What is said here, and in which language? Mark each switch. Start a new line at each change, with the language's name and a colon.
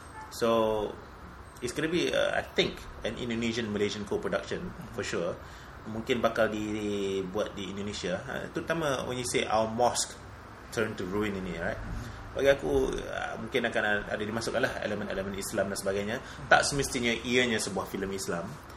English: So, it's going to be, I think, an Indonesian-Malaysian co-production, for sure.
Malay: Mungkin bakal dibuat di Indonesia. Terutama
English: when you say our mosque turned to ruin ini, right?
Malay: Bagi aku, mungkin akan ada dimasukkan lah elemen-elemen Islam dan sebagainya. Tak semestinya ianya sebuah filem Islam.